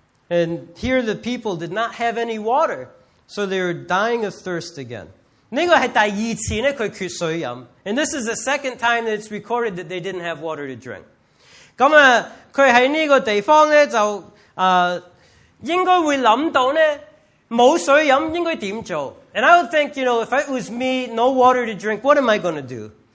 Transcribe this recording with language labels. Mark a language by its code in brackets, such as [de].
[en] And here the people did not have any water, so they were dying of thirst again. [yue] 呢个系第二次呢，佢缺水饮。 [en] And this is the second time that it's recorded that they didn't have water to drink. [yue] 咁啊，佢喺呢个地方呢，就应该会谂到呢，冇水饮应该点做？ [en] And I would think, you know, if it was me, no water to drink, what am I going to do?